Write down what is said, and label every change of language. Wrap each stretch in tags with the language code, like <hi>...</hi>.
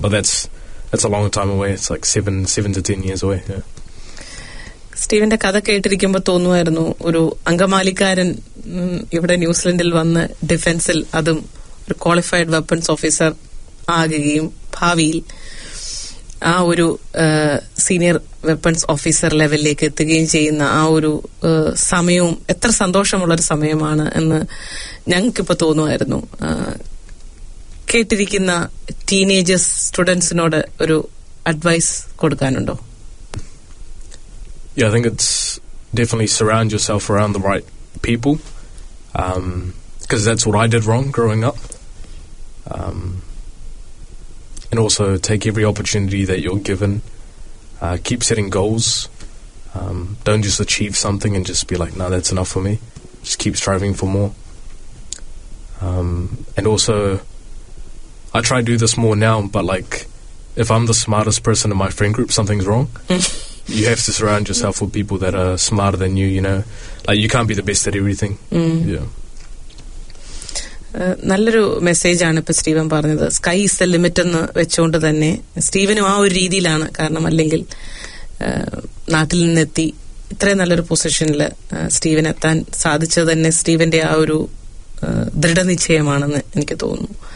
<en>But that's a long time away. It's like 7 to 10 years away. Yeah.</en> <ml>സ്റ്റീവിന്റെ കഥ കേട്ടിരിക്കുമ്പോൾ തോന്നുമായിരുന്നു ഒരു അങ്കമാലിക്കാരൻ ഇവിടെ ന്യൂസിലൻഡിൽ വന്ന് ഡിഫൻസിൽ അതും ഒരു ക്വാളിഫൈഡ് വെപ്പൺസ് ഓഫീസർ ആകുകയും ഭാവിയിൽ ആ ഒരു സീനിയർ വെപ്പൺസ് ഓഫീസർ ലെവലിലേക്ക് എത്തുകയും ചെയ്യുന്ന ആ ഒരു സമയവും എത്ര സന്തോഷമുള്ളൊരു സമയമാണ് എന്ന് ഞങ്ങൾക്കിപ്പോൾ തോന്നുമായിരുന്നു. കേട്ടിരിക്കുന്ന ടീനേജേഴ്സ് സ്റ്റുഡൻസിനോട് ഒരു advice കൊടുക്കാനുണ്ടോ?</ml> <en>Yeah, I think it's definitely surround yourself around the right people, because that's what I did wrong growing up. And also take every opportunity that you're given. Keep setting goals. Don't just achieve something and just be like, no, that's enough for me. Just keep striving for more. And also, I try to do this more now, but like, if I'm the smartest person in my friend group, something's wrong. You have to surround yourself with people that are smarter than you, you know. Like, you can't be the best at everything.</en> <ml>നല്ലൊരു message ആണ് ഇപ്പൊ Steven പറഞ്ഞത്.</ml> <en>sky is the limit</en> <ml>എന്ന് വെച്ചുകൊണ്ട് തന്നെ സ്റ്റീവനും ആ ഒരു രീതിയിലാണ്. കാരണം അല്ലെങ്കിൽ നാട്ടിൽ നിന്നെത്തി ഇത്രയും നല്ലൊരു പൊസിഷനിൽ സ്റ്റീവൻ എത്താൻ സാധിച്ചത് തന്നെ സ്റ്റീവന്റെ ആ ഒരു ദൃഢനിശ്ചയമാണെന്ന് എനിക്ക് തോന്നുന്നു.</ml>